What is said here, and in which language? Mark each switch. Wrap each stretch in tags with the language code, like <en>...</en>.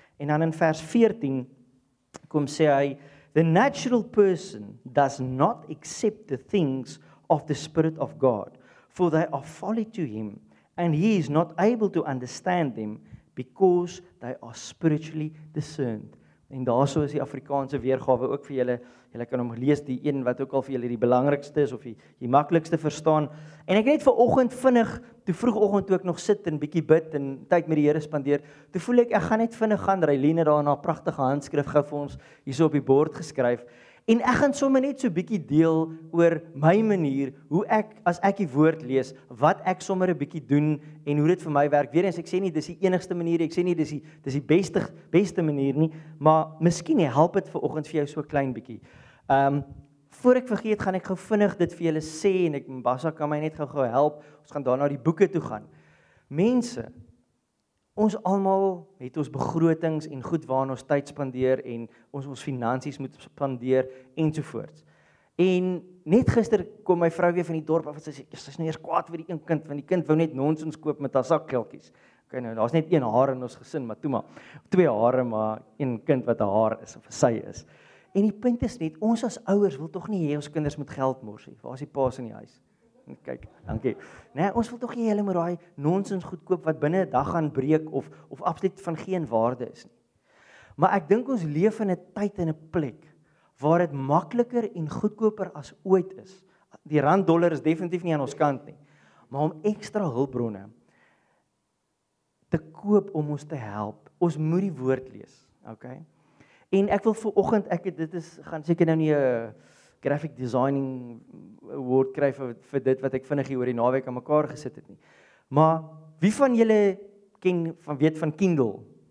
<af>En dan in vers 14 kom sê hy,</af> <en>"The natural person does not accept the things of the Spirit of God, for they are folly to him, and he is not able to understand them, because they are spiritually discerned."</en> <af>En daarso is die Afrikaanse weergawe ook vir julle. Julle kan hom lees, die een wat ook al vir julle die belangrikste is of die maklikste verstaan. En ek het vanoggend vinnig, toe vroegoggend toe ek nog sit en bietjie bid en tyd met die Here spandeer, toe voel ek gaan net vinnig gaan ry. Lena daar na pragtige handskrif gou vir ons hierso op die bord geskryf. En ek gaan sommer net so bietjie deel oor my manier hoe ek as ek die woord lees, wat ek sommer 'n bietjie doen en hoe dit vir my werk. Weerens ek sê nie dis die enigste manier, ek sê nie dis die beste manier nie, maar miskien help dit vanoggend vir jou so klein bietjie. Voor ek vergeet, gaan ek gou vinnig dit vir julle sê en ek Mbasa kan my net gou help. Ons gaan daarna die boeke toe gaan. Mense, ons almal het ons begrotings en goed waarna ons tyd spandeer en ons finansies moet spandeer ensovoorts. En net gister kom my vrou weer van die dorp af en sy sê, sy's nou eers kwaad vir die een kind, want die kind wou net nonsens koop met haar sakgeldjies. Okay, nou, daar's net een haar in ons gesin, maar toe maar. Twee hare, maar een kind wat 'n haar is of sy is. En die punt is net, ons as ouers wil tog nie hê ons kinders moet geld mors nie. Waar is die paas in die huis? Kyk, dankie. Nee, ons wil tog nie hulle moet daai nonsens goedkoop wat binne 'n dag gaan breek of absoluut van geen waarde is nie. Maar ek dink ons leef in 'n tyd en 'n plek waar dit makliker en goedkoper as ooit is. Die rand dollar is definitief nie aan ons kant nie. Maar om ekstra hulpbronne te koop om ons te help, ons moet die woord lees, okay? En ek wil vanoggend gaan seker nou nie 'n graphic designing woord kry vir dit wat ek vinnig hier oor die naweek aan mekaar gesit het nie. Maar wie van julle weet van Kindle?</af>